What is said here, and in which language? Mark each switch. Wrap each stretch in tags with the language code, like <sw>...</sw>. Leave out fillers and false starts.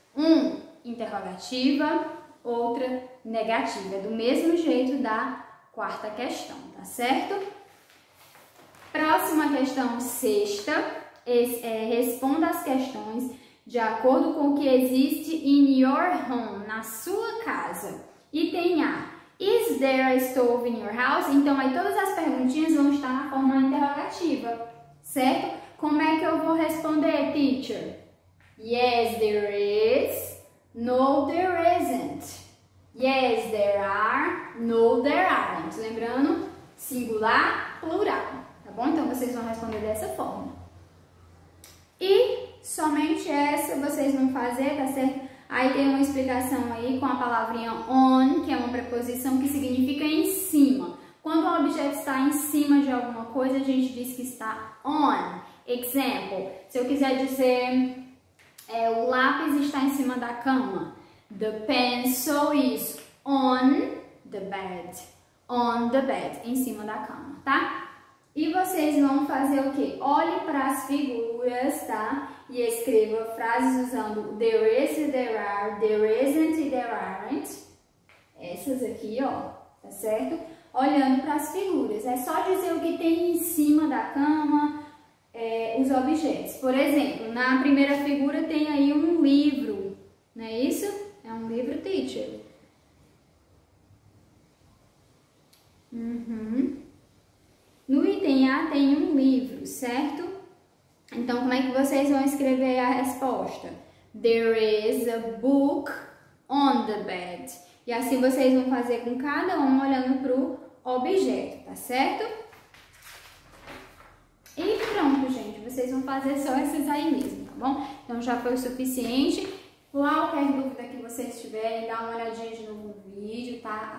<pt>Um, interrogativa, outra, negativa. Do mesmo jeito da quarta questão, tá certo? Próxima questão, sexta. Responda as questões de acordo com o que existe</pt> <en>in your home,</en> <pt>na sua casa. Item A.</pt> <en>Is there a stove in your house?</en> <pt>Então, aí todas as perguntinhas vão estar na forma interrogativa, certo? Como é que eu vou responder, teacher?</pt> <en>Yes, there is. No, there isn't. Yes, there are. No, there aren't.</en> <pt>Lembrando, singular, plural, tá bom? Então, vocês vão responder dessa forma. E somente essa vocês vão fazer, tá certo? Aí tem uma explicação aí com a palavrinha on, que é uma preposição que significa em cima. Quando o objeto está em cima de alguma coisa, a gente diz que está on. Exemplo, se eu quiser dizer o lápis está em cima da cama.</pt> <en>The pencil is on the bed. On the bed,</en> <pt>em cima da cama, tá? E vocês vão fazer o quê? Olhe para as figuras, tá? E escreva frases usando there is, there are, there isn't e there aren't. Essas aqui, ó, tá certo? Olhando para as figuras. É só dizer o que tem em cima da cama, os objetos. Por exemplo, na primeira figura tem aí um livro, não é isso? É um livro, teacher. Uhum. No item A tem um livro, certo? Então, como é que vocês vão escrever a resposta?</pt> <en>There is a book on the bed.</en> <pt>E assim vocês vão fazer com cada um olhando para o objeto, tá certo? E pronto, gente. Vocês vão fazer só esses aí mesmo, tá bom? Então, já foi o suficiente. Qualquer dúvida que vocês tiverem, dá uma olhadinha de novo no vídeo, tá?</pt>